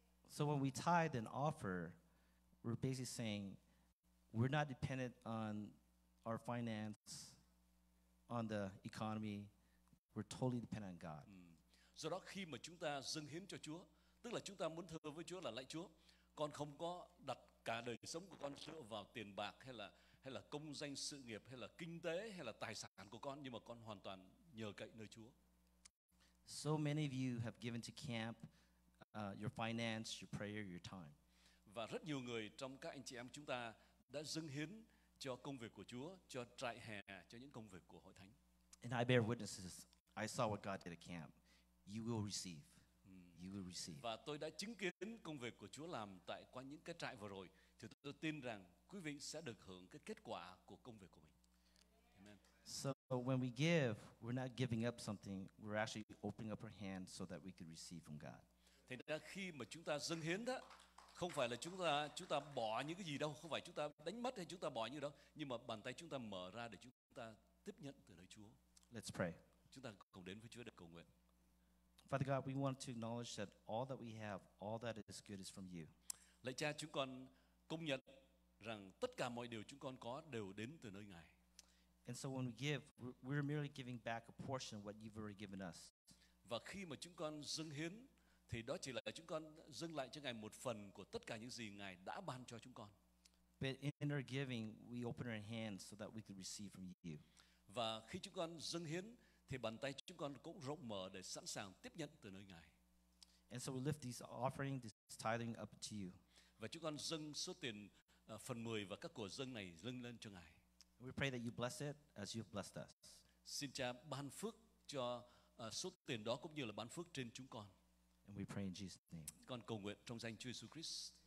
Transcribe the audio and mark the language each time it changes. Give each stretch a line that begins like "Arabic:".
English: So when we tithe and offer, we're basically saying we're not dependent on our finance, on the economy, we're totally dependent on God.
Vietnamese: Do đó khi mà chúng ta dâng hiến cho Chúa, tức là chúng ta muốn thưa với Chúa là lạy Chúa, con không có đặt cả đời sống của con dựa vào tiền bạc hay là công danh sự nghiệp hay là kinh tế hay là tài sản của con, nhưng mà con hoàn toàn nhờ cậy nơi Chúa.
English: So many of you have given to camp, your finance, your prayer, your time.
Vietnamese: Và rất nhiều người trong các anh chị em chúng ta đã dâng hiến cho công việc của Chúa, cho trại hè, cho những công việc của hội thánh.
English: And I bear witnesses, I saw what God did at camp. You will receive. You will receive.
Vietnamese: Và tôi đã chứng kiến công việc của Chúa làm tại qua những cái trại vừa rồi, thì tôi tin rằng quý vị sẽ được hưởng cái kết quả của công việc của mình.
English: Amen. So when we give, we're not giving up something. We're actually opening up our hand so that we could receive from God.
Vietnamese: Thì khi mà chúng ta dâng hiến đó, không phải là chúng ta bỏ những cái gì đâu, không phải chúng ta đánh mất hay chúng ta bỏ như đó, nhưng mà bàn tay chúng ta mở ra để chúng ta tiếp nhận từ nơi Chúa.
English: Let's pray.
Vietnamese: Chúng ta cùng đến với Chúa để cầu nguyện.
English: Father God, we want to acknowledge that all that we have, all that is good is from you.
Vietnamese: Lạy Cha, chúng con công nhận rằng tất cả mọi điều chúng con có đều đến từ nơi Ngài.
English: And so when we give, we're merely giving back a portion of what you've already given us.
Vietnamese: Và khi mà chúng con dâng hiến, thì đó chỉ là chúng con dâng lại cho Ngài một phần của tất cả những gì Ngài đã ban cho chúng con.
English: But in our giving, we open our hands so that we can receive from you.
Vietnamese: Và khi chúng con dâng hiến, thì bàn tay chúng con cũng rộng mở để sẵn sàng tiếp nhận từ nơi Ngài.
English: And so we lift these offering, this tithing up to you.
Vietnamese: Và chúng con dâng số tiền phần 10 và các của dâng này dâng lên cho Ngài.
English: We pray that you bless it as you've blessed us.
Vietnamese: Xin Cha ban phước cho số tiền đó cũng như là ban phước trên chúng con.
English: And we pray in Jesus' name.
Vietnamese: Con cầu nguyện trong danh Chúa Jesus Christ.